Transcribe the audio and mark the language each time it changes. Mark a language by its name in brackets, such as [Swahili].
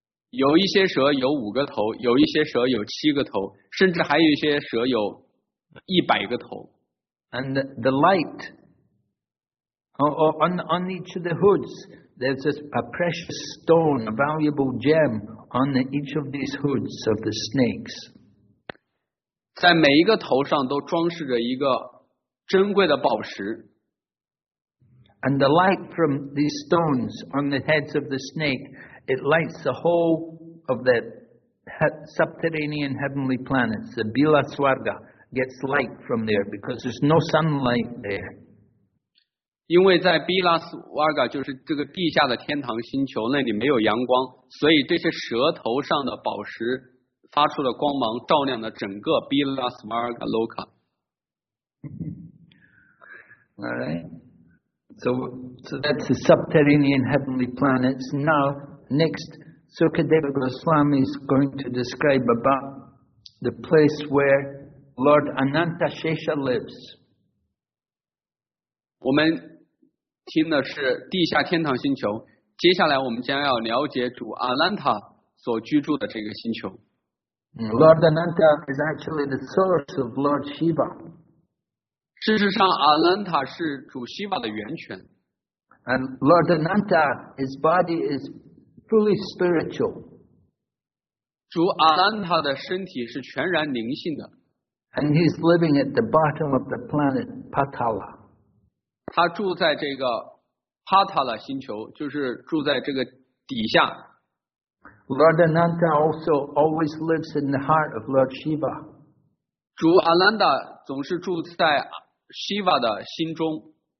[Chinese] 有一些蛇有五个头，有一些蛇有七个头，甚至还有一些蛇有100个头。 [English] And the light on each of the hoods, there's a precious stone, a valuable gem on each of these hoods of the snakes. [Chinese] 在每一个头上都装饰着一个珍贵的宝石。 [English] And the light from these stones on the heads of the snake, it lights the whole of the subterranean heavenly planets. The Bila Swarga gets light from there because there's no sunlight there. [Chinese] 因为在 Bila Swarga 就是这个地下的天堂星球那里没有阳光，所以这些蛇头上的宝石发出了光芒，照亮了整个 Bila Swarga Loka. [English] Alright. So that's the subterranean heavenly planets. Now, next, Sukadeva Goswami is going to describe about the place where Lord Ananta Shesha lives. [Chinese] 我们听的是地下天堂星球，接下来我们将要了解主 Ananta 所居住的这个星球。 [English] Lord Ananta is actually the source of Lord Shiva. [Chinese] 事实上阿兰塔是主希瓦的源泉。 [English] And Lord Ananta, his body is fully spiritual. [Chinese] 主阿兰塔的身体是全然灵性的。 [English] And he's living at the bottom of the planet, Patala. [Chinese] 他住在这个 Patala 星球，就是住在这个底下。 [English] Lord Ananta also always lives in the heart of Lord Shiva. [Chinese] 主阿兰塔总是住在Shiva 的心中。